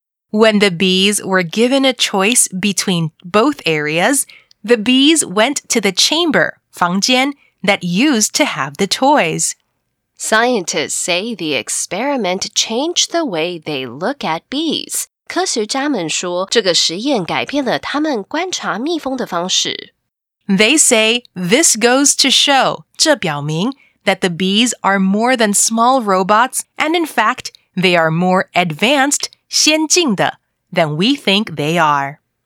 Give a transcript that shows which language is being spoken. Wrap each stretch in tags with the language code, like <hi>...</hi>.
<en>When the bees were given a choice between both areas, the bees went to the chamber,</en> <zh>房间,</zh> <en>that used to have the toys. Scientists say the experiment changed the way they look at bees.</en> <zh>科学家们说这个实验改变了他们观察蜜蜂的方式。</zh> <en>They say this goes to show,</en> <zh>这表明,</zh> <en>that the bees are more than small robots, and in fact, they are more advanced,</en> <zh>先进的</zh> <en>than we think they are.</en>